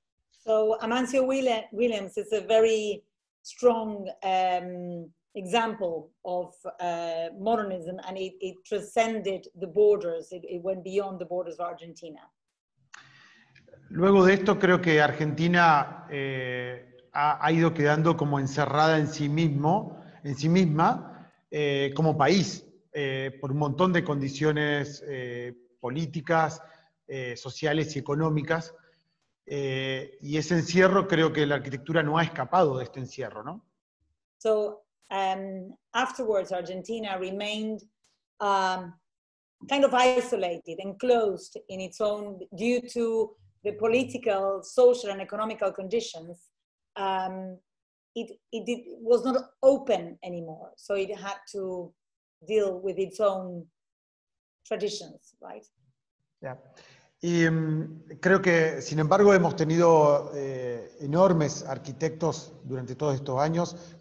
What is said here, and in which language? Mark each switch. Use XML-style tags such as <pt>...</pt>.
<en>So Amancio Williams is a very strong example of modernism, and it transcended the borders, it went beyond the borders of Argentina.</en> <es>Luego de esto, creo que Argentina ha ido quedando como encerrada en sí mismo, en sí misma, como país, por un montón de condiciones políticas, sociales y económicas. Y ese encierro, creo que la arquitectura no ha escapado de este encierro, ¿no?</es> <en>So, afterwards, Argentina remained kind of isolated, enclosed in its own, due to the political, social, and economical conditions, it was not open anymore. So it had to deal with its own traditions, right?</en> <es>Yeah. Y creo que, sin embargo, hemos tenido enormes arquitectos durante todos estos años.</es>